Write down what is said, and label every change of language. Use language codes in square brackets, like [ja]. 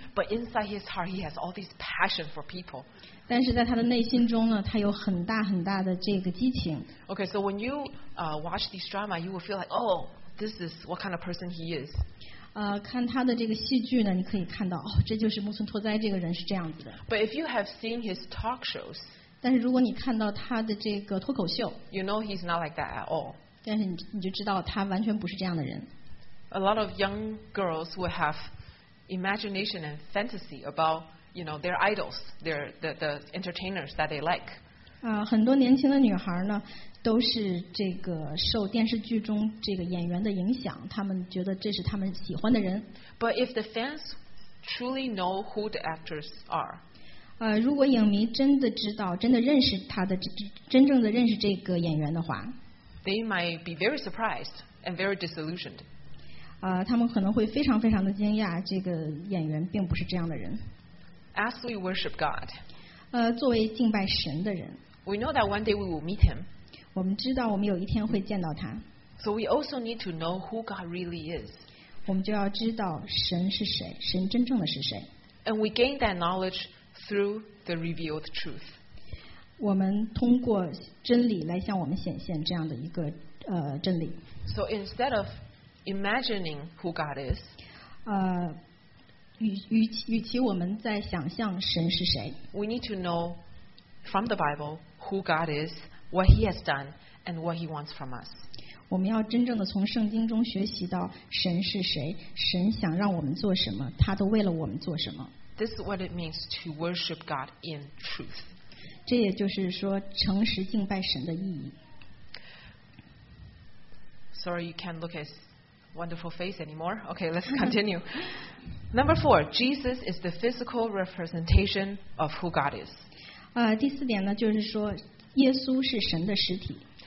[en] But inside his heart, he has all this passion for people. [zh] 但是在他的内心中呢，他有很大很大的这个激情。 [en] Okay, so when you watch this drama, you will feel like, oh, this is what kind of person he is. [zh] 看他的这个戏剧呢，你可以看到，哦，这就是木村拓哉这个人是这样子的。 [en] But if you have seen his talk shows, [zh] 但是如果你看到他的这个脱口秀 [en] ，you know he's not like that at all. [zh] 但是你就知道他完全不是这样的人。 [en] A lot of young girls will have imagination and fantasy about, you know, their idols, their the entertainers that they like. [zh] 很多年轻的女孩呢。都是这个受电视剧中这个演员的影响，他们觉得这是他们喜欢的人。 [en] But if the fans truly know who the actors are, [zh] 如果影迷真的知道，真的认识他的，真正的认识这个演员的话 [en] ，they might be very surprised and very disillusioned。 [zh] 他们可能会非常非常的惊讶，这个演员并不是这样的人。 [en] As we worship God， [zh] 作为敬拜神的人 [en] ，we know that one day we will meet him。 [zh] 我们知道我们有一天会见到他。 [en] So we also need to know who God really is。 [zh] 我们就要知道神是谁，神真正的是谁。 [en] And we gain that knowledge through the revealed truth。 [zh] 我们通过真理来向我们显现这样的一个真理。 [en] So instead of imagining who God is， [zh] 与其我们在想象神是谁 [en] ，we need to know from the Bible who God is。 What he has done and what he wants from us. [zh] 我们要真正的从圣经中学习到神是谁，神想让我们做什么，他都为了我们做什么。 [en] This is what it means to worship God in truth. [zh] 这也就是说诚实敬拜神的意义。 [en] Sorry, you can't look at his wonderful face anymore. Okay, let's continue. Number four, Jesus is the physical representation of who God is. [zh] 第四点呢，就是说耶稣是神的实体。